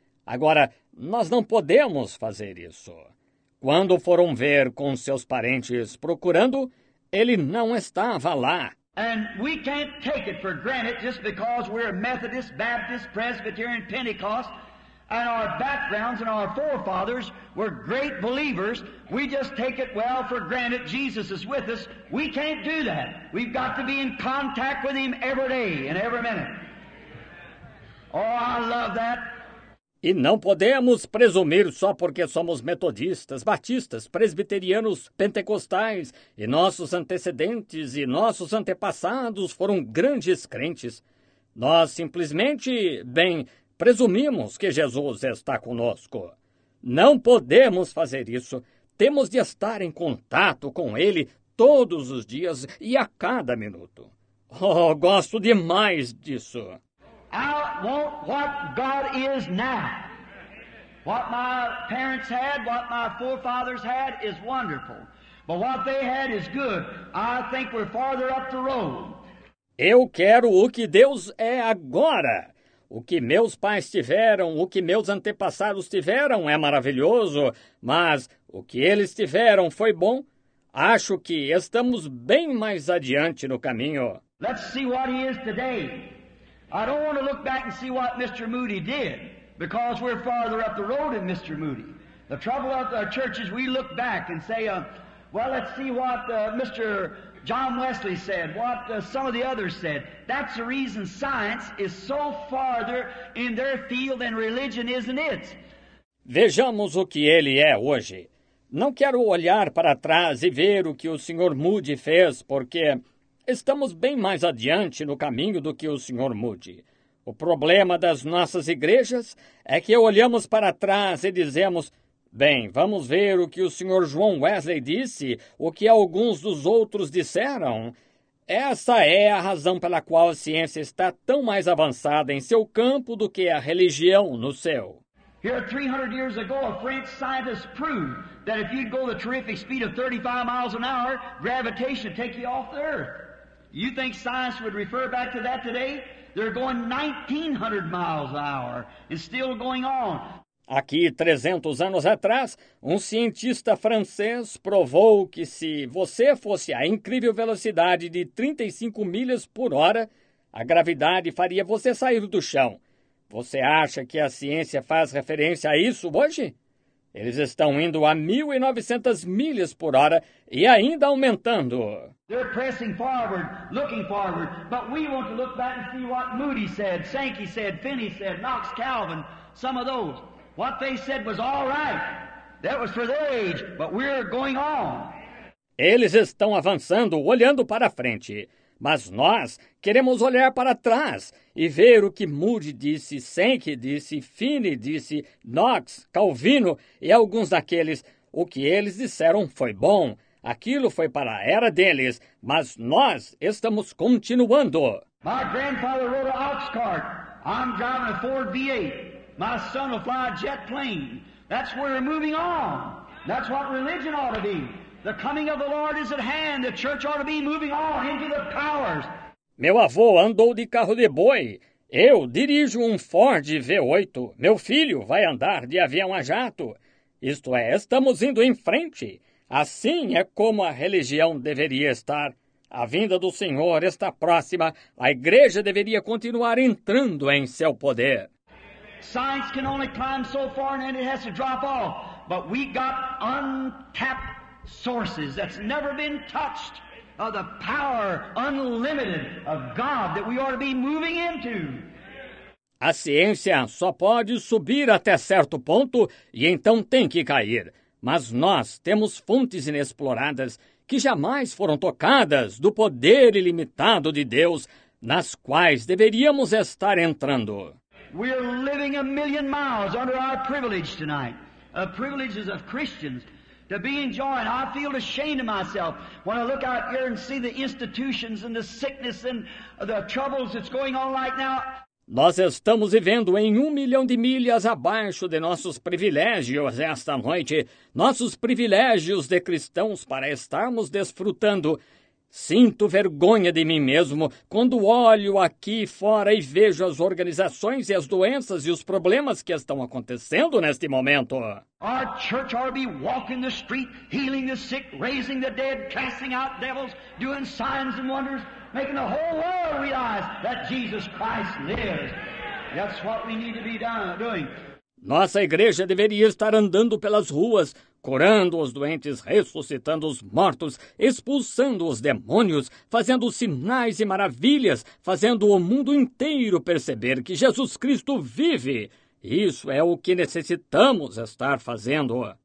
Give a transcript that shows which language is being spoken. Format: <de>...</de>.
<pt>Agora, nós não podemos fazer isso. Quando foram ver com seus parentes procurando, ele não estava lá.</pt> <en>And we can't take it for granted just because we're Methodist, Baptist, Presbyterian, Pentecost, and our backgrounds and our forefathers were great believers. We just take it well for granted Jesus is with us. We can't do that. We've got to be in contact with him every day and every minute. Oh, I love that.</en> <pt>E não podemos presumir só porque somos metodistas, batistas, presbiterianos, pentecostais e nossos antecedentes e nossos antepassados foram grandes crentes. Nós simplesmente, bem, presumimos que Jesus está conosco. Não podemos fazer isso. Temos de estar em contato com ele todos os dias e a cada minuto. Oh, gosto demais disso.</pt> <en>I want what God is now. What my parents had, what my forefathers had is wonderful. But what they had is good. I think we're farther up the road.</en> <pt>Eu quero o que Deus é agora. O que meus pais tiveram, o que meus antepassados tiveram é maravilhoso, mas o que eles tiveram foi bom. Acho que estamos bem mais adiante no caminho.</pt> <en>Let's see what he is today. I don't want to look back and see what Mr. Moody did, because we're farther up the road than Mr. Moody. The trouble of our church is we look back and say, well, let's see what Mr. John Wesley said, what some of the others said. That's the reason science is so farther in their field than religion, isn't it?</en> <pt>Vejamos o que ele é hoje. Não quero olhar para trás e ver o que o Sr. Moody fez, porque estamos bem mais adiante no caminho do que o Sr. Moody. O problema das nossas igrejas é que olhamos para trás e dizemos: bem, vamos ver o que o Sr. João Wesley disse, o que alguns dos outros disseram. Essa é a razão pela qual a ciência está tão mais avançada em seu campo do que a religião no seu.</pt> <en>Here, 300 years ago, a French scientist proved that if you go the terrific speed of 35 miles an hour, gravitation would take you off the earth. You think science would refer back to that today? They're going 1900 miles an hour and still going on.</en> <pt>Aqui, 300 anos atrás, um cientista francês provou que se você fosse à incrível velocidade de 35 milhas por hora, a gravidade faria você sair do chão. Você acha que a ciência faz referência a isso hoje? Eles estão indo a 1.900 milhas por hora e ainda aumentando.</pt> <en>They're pressing forward, looking forward, but we want to look back and see what Moody said, Sankey said, Finney said, Knox, Calvin, some of those. What they said was all right. That was for their age, but we're going on.</en> <pt>Eles estão avançando, olhando para frente. Mas nós queremos olhar para trás e ver o que Moody disse, Sankey disse, Finney disse, Knox, Calvino e alguns daqueles. O que eles disseram foi bom. Aquilo foi para a era deles, mas nós estamos continuando.</pt> <en>My grandfather rode an ox cart. I'm driving a Ford V8. My son will fly a jet plane. That's where we're moving on. That's what religion ought to be. The coming of the Lord is at hand. The church ought to be moving on into the powers.</en> <pt>Meu avô andou de carro de boi. Eu dirijo um Ford V8. Meu filho vai andar de avião a jato. Isto é, estamos indo em frente. Assim é como a religião deveria estar. A vinda do Senhor está próxima. A igreja deveria continuar entrando em seu poder.</pt> <en>Science can only climb so far and then it has to drop off. But we got untapped sources that's never been touched of the power unlimited of God that we ought to be moving into.</en> <pt>A ciência só pode subir até certo ponto e então tem que cair. Mas nós temos fontes inexploradas que jamais foram tocadas do poder ilimitado de Deus nas quais deveríamos estar entrando.</pt> <en>We're living a million miles under our privilege tonight, the privileges of Christians to be enjoying. I feel ashamed of myself when I look out here and see the institutions and the sickness and the troubles that's going on right now.</en> <pt>Nós estamos vivendo em 1 milhão de milhas abaixo de nossos privilégios esta noite, nossos privilégios de cristãos para estarmos desfrutando. Sinto vergonha de mim mesmo quando olho aqui fora e vejo as organizações e as doenças e os problemas que estão acontecendo neste momento.</pt> <en>Our church ought to be walking the street, healing the sick, raising the dead, casting out devils, doing signs and wonders, making the whole world realize that Jesus Christ lives. That's what we need to be doing.</en> <pt>Nossa igreja deveria estar andando pelas ruas, curando os doentes, ressuscitando os mortos, expulsando os demônios, fazendo sinais e maravilhas, fazendo o mundo inteiro perceber que Jesus Cristo vive. Isso é o que necessitamos estar fazendo.</pt>